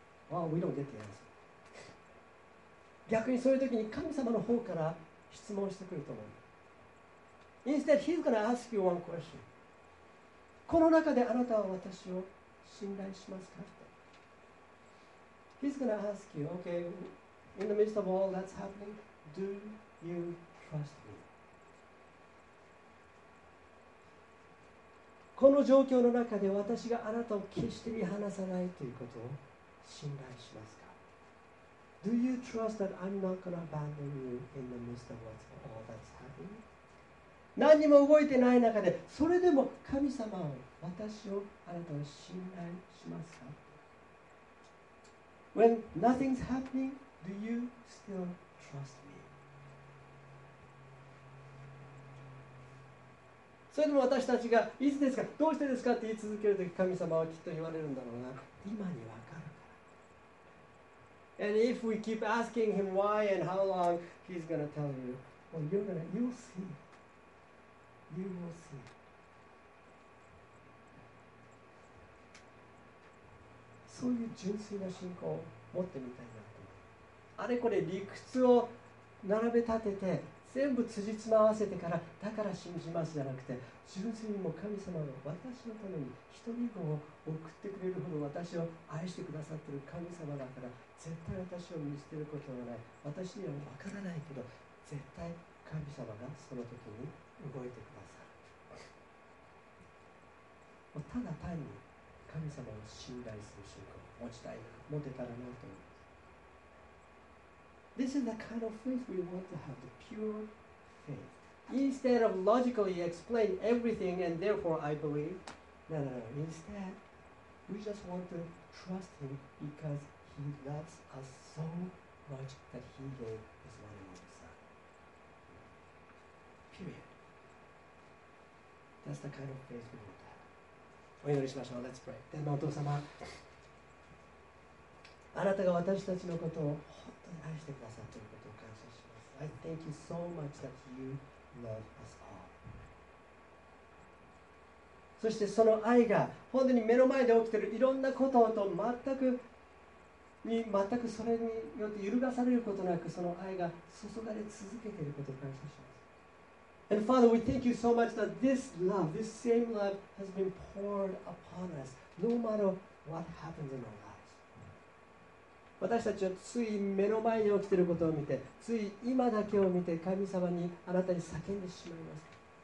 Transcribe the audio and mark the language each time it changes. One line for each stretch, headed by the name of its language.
English: well, we don't get the answer.
Japanese: 逆にそういう時に神様の方から質問してくると思う。
English: Instead, he's gonna ask you one question.
Japanese: この中であなたは私を信頼しますかって。
English: He's gonna ask you, okay, in the midst of all that's happening, do you trust me?
Japanese: この状況の中で私があなたを決して見放さないということを信頼しますか。
English: Do you trust that I'm not going to abandon you in the midst of what's all that's happening?
Japanese: 何にも動いてない中で、それでも神様を、私を、あなたを信頼しますか?
English: When nothing's happening, do you still trust me?
Japanese: それでも私たちが、いつですか、どうしてですかって言い続けるとき、神様はきっと言われるんだろうな。今にわかる。
English: And if we keep asking him why and how long, he's going to tell you, well, you'll see. You will see.
Japanese: そういう純粋な信仰を持ってみたいなと。あれこれ理屈を並べ立てて、全部辻褄合わせてから、だから信じますじゃなくて、純粋にも神様が私のために一人子を送ってくれるほど私を愛してくださっている神様だから、絶対私を見捨てることはない。私には分からないけど、絶対神様がその時に動いてくださる。もうただ単に神様を信頼する信仰を持ちたいな、持てたらなと思います。
English: This is the kind of faith we want to have, the pure faith. Instead of logically explain everything and therefore I believe, no. Instead, we just want to trust Him because He loves us so much that He gave His one and only Son. Period. That's the kind of faith we want to have.
Japanese: お祈りしましょう。
English: Let's pray.
Japanese: 天のお父様、あなたが私たちのことを愛してくださっていることを感謝します。
English: I thank you so much that you love us all. そ
Japanese: そしてその愛が本当に目の前で起きているいろんなことと全くそれによって揺るがされることなくその愛が注がれ続けていることを感謝します。
English: And Father, we thank you so much that this love, this same love has been poured upon us no matter what happens in our lives.
Japanese: 私たちはつい目の前に起きていることを見てつい今だけを見て神様にあなたに叫んでしまいます。